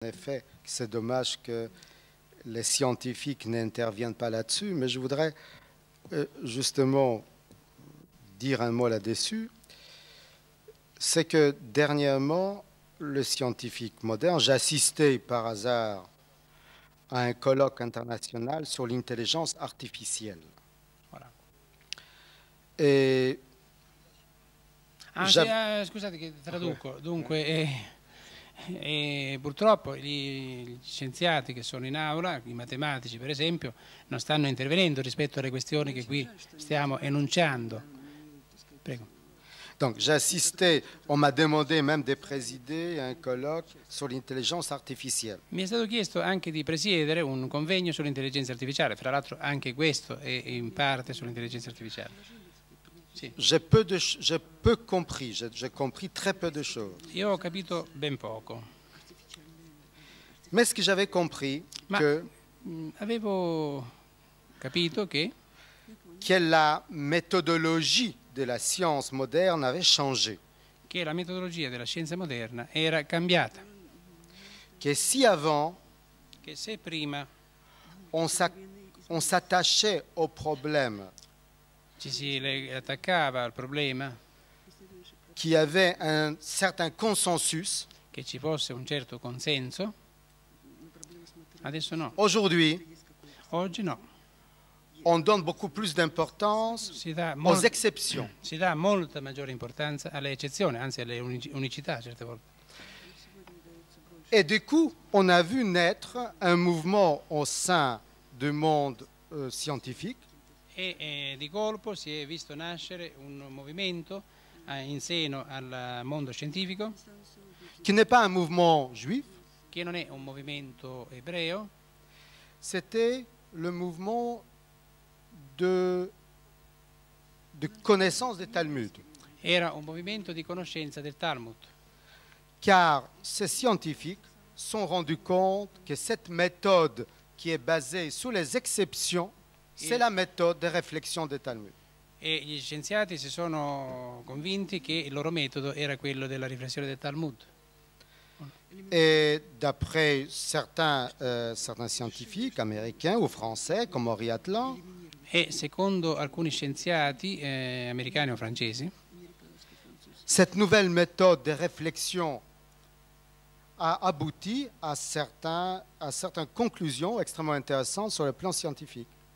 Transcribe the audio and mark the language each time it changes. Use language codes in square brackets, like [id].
[fr] En effet, c'est dommage que les scientifiques n'interviennent pas là-dessus, mais je voudrais justement dire un mot là-dessus. C'est que dernièrement, le scientifique moderne, j'assistais par hasard à un colloque international sur l'intelligence artificielle. Et [it] Ah sì, scusate che traduco. Dunque, purtroppo gli scienziati che sono in aula, i matematici per esempio, non stanno intervenendo rispetto alle questioni che qui stiamo enunciando. Prego. [fr] Donc, j'assistais, on m'a demandé même de présider un colloque sur l'intelligence artificielle. [it] Mi è stato chiesto anche di presiedere un convegno sull'intelligenza artificiale, fra l'altro anche questo è in parte sull'intelligenza artificiale. [fr] J'ai peu compris, j'ai compris très peu de choses. [it] Io ho capito ben poco. [fr] Mais ce que j'avais compris, [it] Ma avevo capito che [fr] la méthodologie de la science moderne avait changé. [it] la metodologia della scienza moderna era cambiata. Che [fr] si avant [it] Che se prima [fr] on s'attachait au problème [it] ci si attaccava al problema, [fr] qu'il y avait un certain consensus, [it] che ci fosse un certo consenso, adesso no. [fr] aujourd'hui [it] Oggi no. [fr] on donne beaucoup plus d'importance aux exceptions. [it] Si dà molta maggiore importanza alle eccezioni, anzi alle unicità a certe volte. [fr] Et du coup, on a vu naître un mouvement au sein du monde scientifique. [it] E di colpo si è visto nascere un movimento in seno al mondo scientifico, [fr] Qui n'est pas un mouvement juif, [it] che non è un movimento ebreo. [fr] c'était le mouvement de connaissance des Talmud. [it] Era un movimento di conoscenza del Talmud. [fr] Car ces scientifiques sont rendus compte que cette méthode qui est basée sur les exceptions, c'est la méthode de réflexion des Talmud. [it] E gli scienziati si sono convinti che il loro metodo era quello della riflessione del Talmud. [fr] Et d'après certains scientifiques américains ou français, comme Henri Atlan, [it] E secondo alcuni scienziati americani o francesi, [fr] cette nouvelle méthode de réflexion a abouti à certaines conclusions extrêmement intéressantes sur le plan scientifique.